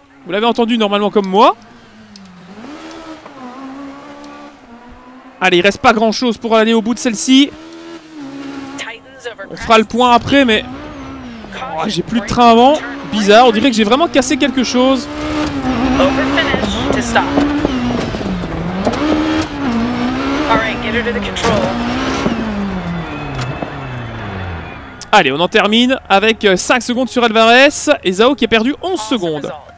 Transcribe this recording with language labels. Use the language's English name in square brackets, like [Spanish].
[French] Vous l'avez entendu normalement comme moi. Allez, il reste pas grand chose pour aller au bout de celle-ci. On fera le point après, mais oh, j'ai plus de train avant. Bizarre, on dirait que j'ai vraiment cassé quelque chose. [English] Over finish to stop. Alright, get her to the control. [French] Allez, on en termine avec 5 secondes sur Alvarez et Zhao qui a perdu 11 secondes.